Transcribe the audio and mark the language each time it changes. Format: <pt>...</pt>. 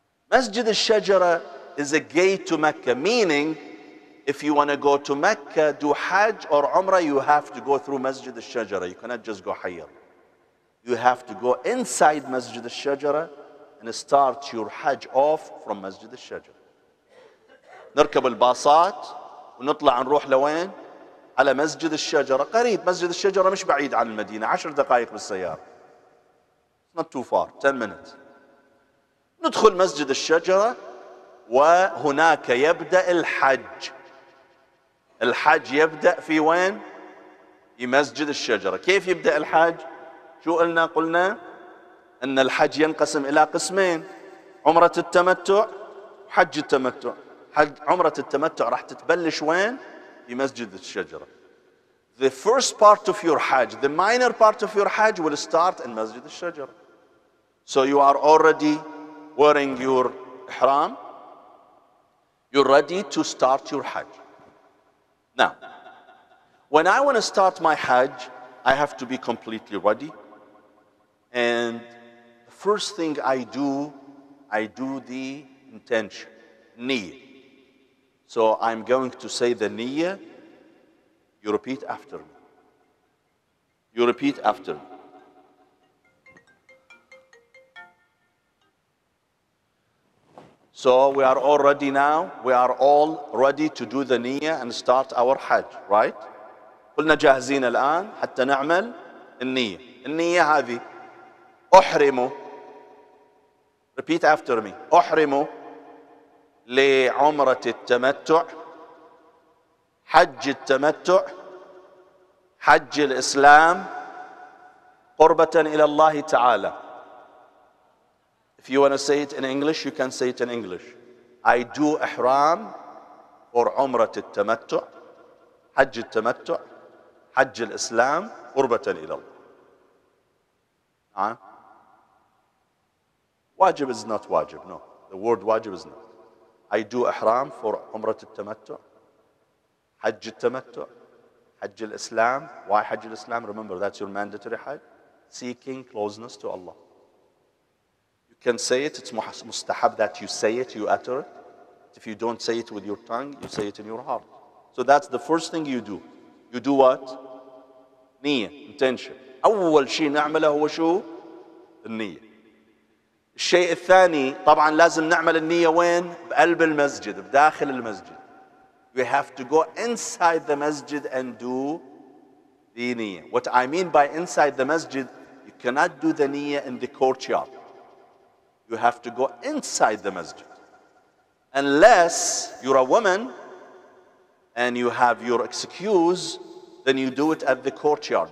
<en>Masjid al-Shajara is a gate to Mecca, meaning if you want to go to Mecca, do Hajj or Umrah, you have to go through Masjid al-Shajara. You cannot just go higher. You have to go inside Masjid al-Shajara and start your Hajj off from Masjid al-Shajara.</en> <ar>نركب الباصات ونطلع نروح لوين؟ على مسجد الشجرة قريب مسجد الشجرة مش بعيد عن المدينة 10 دقائق بالسيارة</ar> <en>It's not too far 10 minutes</en> <ar>ندخل مسجد الشجرة وهناك يبدأ الحج الحج يبدأ في وين في مسجد الشجرة كيف يبدأ الحج شو قلنا قلنا ان الحج ينقسم الى قسمين عمرة التمتع وحج التمتع حج عمرة التمتع راح تتبلش وين في مسجد الشجرة</ar> <en>The first part of your Hajj, the minor part of your Hajj will start in Masjid al-Shajara. So you are already wearing your Ihram. You're ready to start your Hajj. Now, when I want to start my Hajj, I have to be completely ready. And the first thing I do the intention, niyyah. So I'm going to say the niyyah. You repeat after me. You repeat after me. So we are all ready now. We are all ready to do the niyyah and start our Hajj, right?</en> <ar>قلنا جاهزين الآن حتى نعمل النية. النية هذه أحرم.</ar> <en>Repeat after me.</en> <ar>أحرم لعمرة التمتع حج التمتع حج الإسلام قربة إلى الله تعالى.</ar> <en>If you want to say it in English, you can say it in English. I do</en> <ar>إحرام for عمرة التمتع حج التمتع حج الإسلام قربة إلى الله.</ar> <en>واجب is not واجب. No, the word واجب is not. I do</en> <ar>إحرام for عمرة التمتع حج التمتع. حج الإسلام.</ar> <en>Why</en> <ar>حج الإسلام?</ar> <en>Remember, that's your mandatory حج. Seeking closeness to Allah. You can say it. It's mustahab that you say it, you utter it. But if you don't say it with your tongue, you say it in your heart. So that's the first thing you do. You do what? نية. Intention.</en> <ar>أول شيء نعمله هو شو؟ النية. الشيء الثاني طبعاً لازم نعمل النية وين؟ بقلب المسجد. بداخل المسجد.</ar> <en>We have to go inside the masjid and do the niyyah. What I mean by inside the masjid, you cannot do the niyyah in the courtyard. You have to go inside the masjid. Unless you're a woman and you have your excuse, then you do it at the courtyard.</en>